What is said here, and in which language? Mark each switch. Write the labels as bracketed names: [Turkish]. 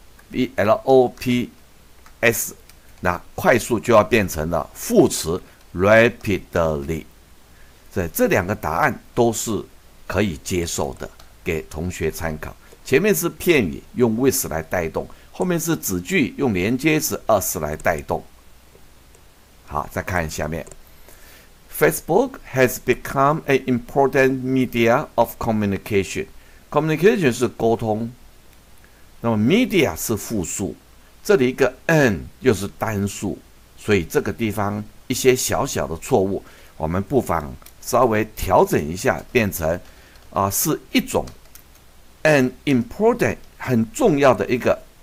[Chinese] B-L-O-P-S， 那快速就要变成了副词rapidly， 这两个答案都是可以接受的，给同学参考。前面是片语用 with 来带动，后面是子句用连接词 as 来带动。好，再看下面 [English] ，Facebook has become an important media of communication. [Chinese] Communication 是沟通，那么 media 是复数，这里一个 an 又是单数，所以这个地方。一些小小的错误，我们不妨稍微调整一下，变成是一种 [English] an important [Chinese] 很重要的一个